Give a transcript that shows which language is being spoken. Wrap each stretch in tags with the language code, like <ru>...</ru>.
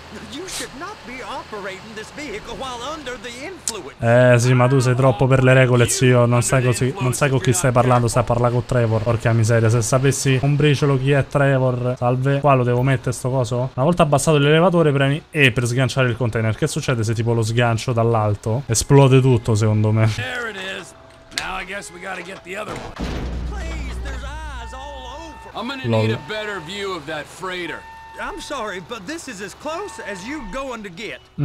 <en>You should not be operating this vehicle while under the influence.</en> <it>Sì, ma tu sei troppo per le regole, zio. Non sai così. Non sai con chi stai parlando. Stai a parlare con Trevor. Porca miseria, se sapessi un briciolo chi è Trevor. Salve. Qua lo devo mettere sto coso? Una volta abbassato l'elevatore, premi E per sganciare il container. Che succede se tipo lo sgancio dall'alto? Esplode tutto, secondo me.</it> <en>There it is. Now I guess we gotta get the other one. Please, there's eyes all over. I'm gonna need a better view of that freighter. I'm sorry, but this is as close as you going to get.</en>